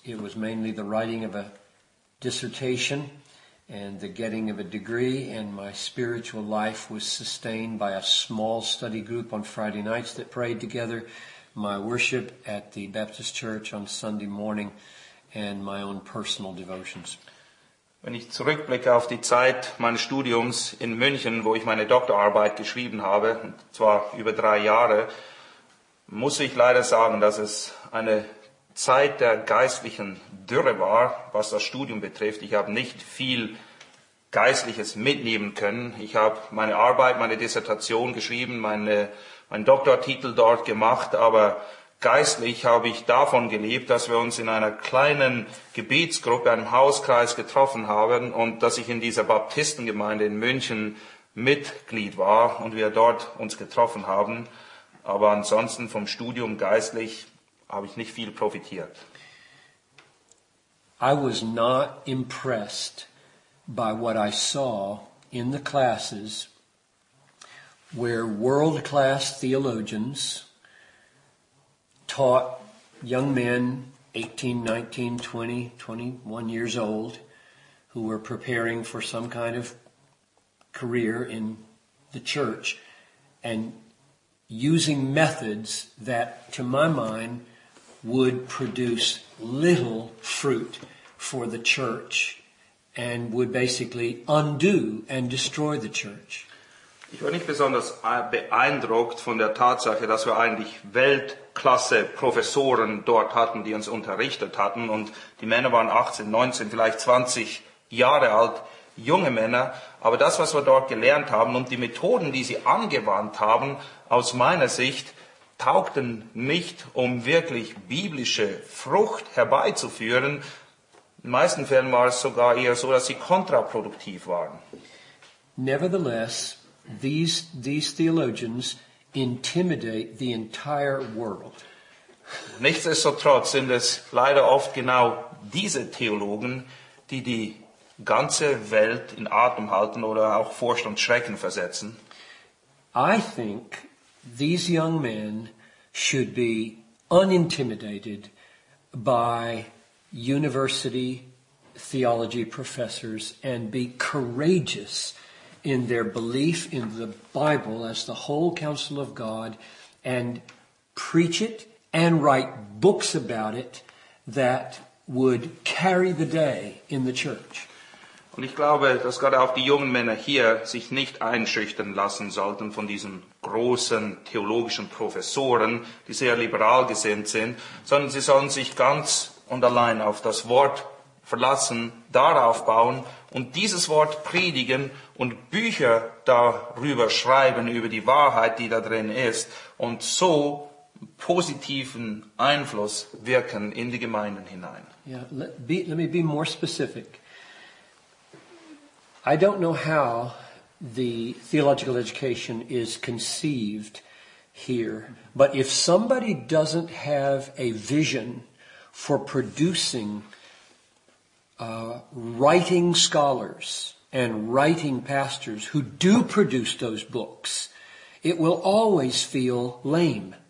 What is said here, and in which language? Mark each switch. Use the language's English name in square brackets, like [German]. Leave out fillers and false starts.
[English] It was mainly the writing of a dissertation and the getting of a degree, and my spiritual life was sustained by a small study group on Friday nights that prayed together, my worship at the Baptist Church on Sunday morning, and my own personal devotions. [German] Wenn ich zurückblicke auf die Zeit meines Studiums in München, wo ich meine Doktorarbeit geschrieben habe, und zwar über 3 Jahre, muss ich leider sagen, dass es eine Zeit der geistlichen Dürre war, was das Studium betrifft. Ich habe nicht viel Geistliches mitnehmen können. Ich habe meine Arbeit, meine Dissertation geschrieben, meinen Doktortitel dort gemacht, aber geistlich habe ich davon gelebt, dass wir uns in einer kleinen Gebetsgruppe, einem Hauskreis getroffen haben und dass ich in dieser Baptistengemeinde in München Mitglied war und wir dort uns getroffen haben. Aber ansonsten vom Studium geistlich habe ich nicht viel profitiert. [English] I was not impressed by what I saw in the classes where world-class theologians taught young men, 18, 19, 20, 21 years old, who were preparing for some kind of career in the church, and using methods that, to my mind, would produce little fruit for the church and would basically undo and destroy the church. [German] Ich war nicht besonders beeindruckt von der Tatsache, dass wir eigentlich Weltklasse-Professoren dort hatten, die uns unterrichtet hatten. Und die Männer waren 18, 19, vielleicht 20 Jahre alt, junge Männer. Aber das, was wir dort gelernt haben und die Methoden, die sie angewandt haben, aus meiner Sicht taugten nicht, um wirklich biblische Frucht herbeizuführen. In den meisten Fällen war es sogar eher so, dass sie kontraproduktiv waren. [English] Nevertheless, these theologians intimidate the entire world. [German] Nichtsdestotrotz sind es leider oft genau diese Theologen, die die ganze Welt in Atem halten oder auch Furcht und Schrecken versetzen. [English] I think these young men should be unintimidated by university theology professors and be courageous in their belief in the Bible as the whole counsel of God and preach it and write books about it that would carry the day in the church. [German] Und ich glaube, dass gerade auch die jungen Männer hier sich nicht einschüchtern lassen sollten von diesen großen theologischen Professoren, die sehr liberal gesinnt sind, sondern sie sollen sich ganz und allein auf das Wort verlassen, darauf bauen und dieses Wort predigen und Bücher darüber schreiben, über die Wahrheit, die da drin ist, und so positiven Einfluss wirken in die Gemeinden hinein. [English] Yeah, let me be more specific. I don't know how the theological education is conceived here, but if somebody doesn't have a vision for producing writing scholars and writing pastors who do produce those books, it will always feel lame.